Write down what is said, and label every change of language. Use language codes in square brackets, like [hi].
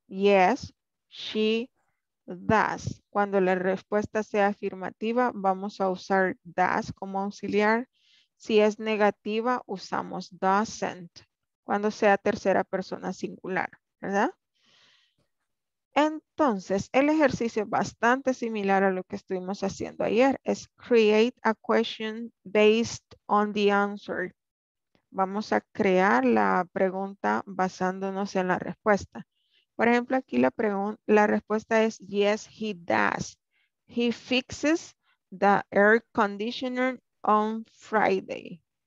[en] Yes, she does. [es] Cuando la respuesta sea afirmativa, vamos a usar does como auxiliar. Si es negativa, usamos doesn't. Cuando sea tercera persona singular, ¿verdad? Entonces, el ejercicio es bastante similar a lo que estuvimos haciendo ayer. [en] Es create a question based on the answer. [es] Vamos a crear la pregunta basándonos en la respuesta. Por ejemplo, aquí la respuesta es [en] yes, he does. He fixes the air conditioner on Friday.